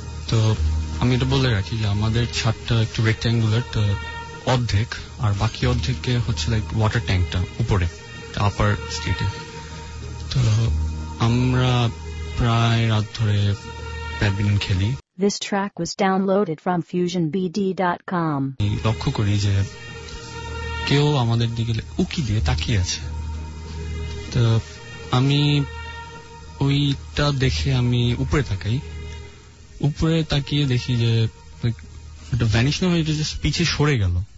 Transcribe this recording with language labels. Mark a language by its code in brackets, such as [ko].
[bn] তো আমি এটা বলে রাখি যে আমাদের ছাদটা একটু রেক্টাঙ্গুলার, তো অর্ধেক আর বাকি অর্ধেককে হচ্ছে লাইক ওয়াটার ট্যাঙ্কটা উপরে আপার স্টেটে। তো আমরা প্রায় রাত ধরে ব্যাডমিন্টন খেলি। [en] This track was downloaded from fusionbd.com. [bn] লক্ষ্য করি যে কেউ আমাদের দিকে উকি দিয়ে তাকিয়ে আছে। তো আমি ওইটা দেখে আমি উপরে তাকাই, উপরে তাকিয়ে দেখি যে ওটা ভ্যানিশ না হয়ে যেটা জাস্ট পিছে সরে গেল।